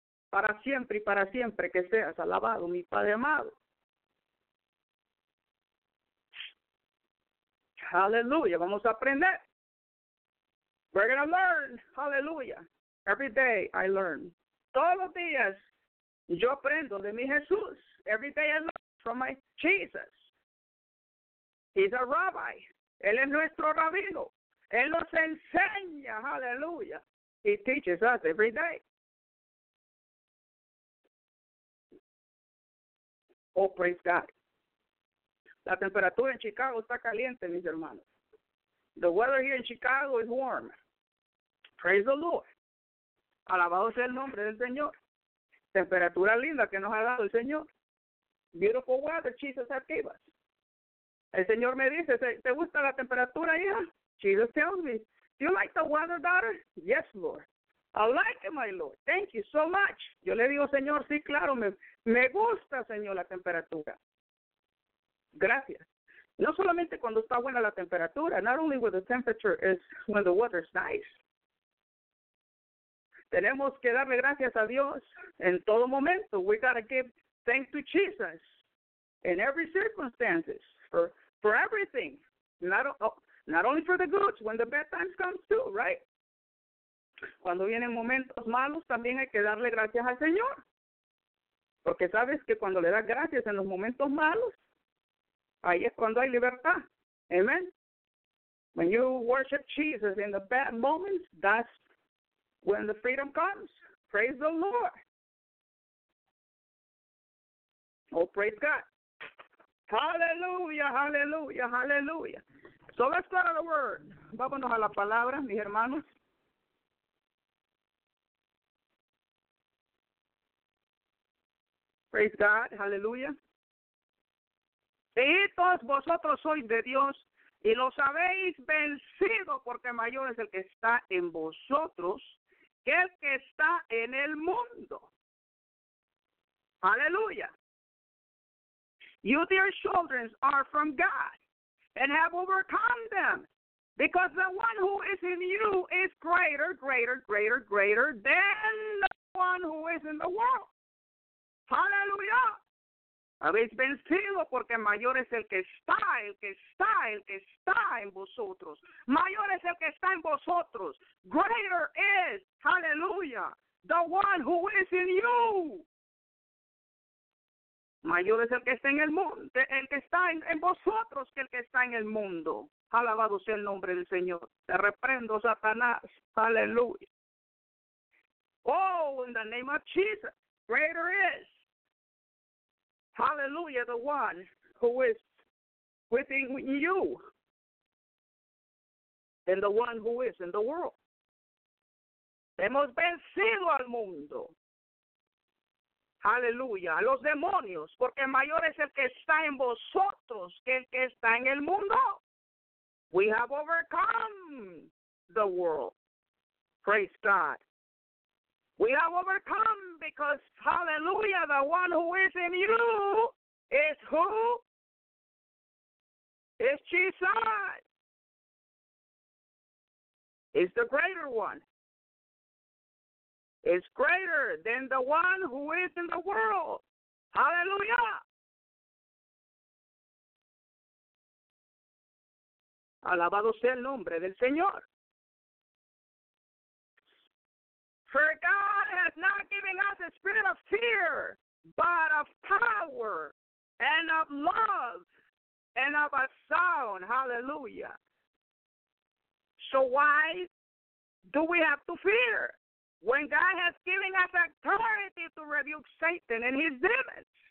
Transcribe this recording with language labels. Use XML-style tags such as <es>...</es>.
<es>Para siempre y para siempre que seas alabado, mi Padre amado.</es> <en>Hallelujah.</en> <es>Vamos a aprender.</es> <en>We're going to learn. Hallelujah. Every day I learn.</en> <es>Todos los días yo aprendo de mi Jesús.</es> <en>Every day I learn from my Jesus. He's a rabbi.</en> <es>Él es nuestro rabino. Él nos enseña. Hallelujah.</es> <en>He teaches us every day. Oh, praise God.</en> <es>La temperatura en Chicago está caliente, mis hermanos.</es> <en>The weather here in Chicago is warm. Praise the Lord.</en> <es>Alabado sea el nombre del Señor. Temperatura linda que nos ha dado el Señor.</es> <en>Beautiful weather, Jesus has given us.</en> <es>El Señor me dice, ¿te gusta la temperatura, hija?</es> <en>Jesus tells me, do you like the weather, daughter? Yes, Lord. I like it, my Lord. Thank you so much.</en> <es>Yo le digo, Señor, sí, claro, me gusta, Señor, la temperatura. Gracias. No solamente cuando está buena la temperatura.</es> <en>Not only when the temperature is when the weather is nice.</en> <es>Tenemos que darle gracias a Dios en todo momento.</es> <en>We gotta give thanks to Jesus in every circumstances for everything. Not only for the good when the bad times come too, right?</en> <es>Cuando vienen momentos malos, también hay que darle gracias al Señor. Porque sabes que cuando le das gracias en los momentos malos, ahí es cuando hay libertad.</es> <en>Amen. When you worship Jesus in the bad moments, that's when the freedom comes. Praise the Lord. Oh, praise God. Hallelujah, hallelujah, hallelujah. So let's go to the word.</en> <es>Vámonos a la palabra, mis hermanos.</es> <en>Praise God,</en> <es>hallelujah. Hijitos, vosotros sois de Dios y los habéis vencido, porque mayor es el que está en vosotros que el que está en el mundo. Aleluya.</es> <en>You, dear children, are from God and have overcome them, because the one who is in you is greater, greater, greater, greater than the one who is in the world.</en> <es>Aleluya. Habéis vencido porque mayor es el que está, el que está, el que está en vosotros. Mayor es el que está en vosotros. Greater is, hallelujah, the one who is in you. Mayor es el que está en el mundo, el que está en vosotros, que el que está en el mundo. Alabado sea el nombre del Señor. Te reprendo, Satanás. Hallelujah.</es> <en>Oh, in the name of Jesus, greater is. Hallelujah, the one who is within you and the one who is in the world.</en> <es>Hemos vencido al mundo. Hallelujah. A los demonios, porque mayor es el que está en vosotros que el que está en el mundo.</es> <en>We have overcome the world. Praise God. We have overcome because, hallelujah, the one who is in you is who? Is Jesus. Is the greater one. Is greater than the one who is in the world. Hallelujah.</en> <es>Alabado sea el nombre del Señor.</es> <en>For God has not given us a spirit of fear, but of power, and of love, and of a sound, hallelujah. So why do we have to fear when God has given us authority to rebuke Satan and his demons?</en>